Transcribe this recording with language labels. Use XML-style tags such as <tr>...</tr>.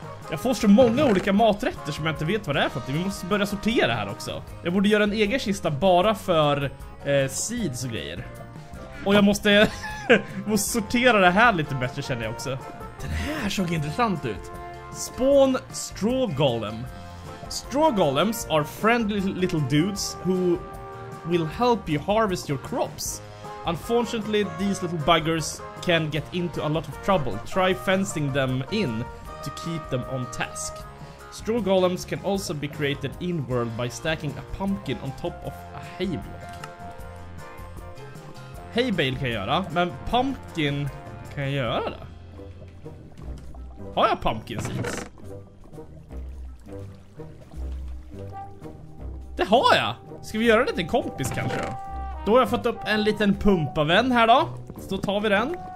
<sv>Jag får så många olika maträtter som jag inte vet vad det är för att vi måste börja sortera här också. Jag borde göra en egen kista bara för seeds och grejer. Och jag måste, måste sortera det här lite bättre känner jag också. Den här såg intressant ut.</sv> <en>Spawn straw golem. Straw golems are friendly little dudes who will help you harvest your crops. Unfortunately, these little buggers can get into a lot of trouble. Try fencing them in to keep them on task. Straw golems can also be created in world by stacking a pumpkin on top of a hay block.</en> <sv>Hay bale kan göra, men pumpkin kan göra det. Har jag pumpkin seeds? Det har jag. Ska vi göra det till kompis kanske då? Då har jag fått upp en liten pumpavän här då. Så då tar vi den.</sv>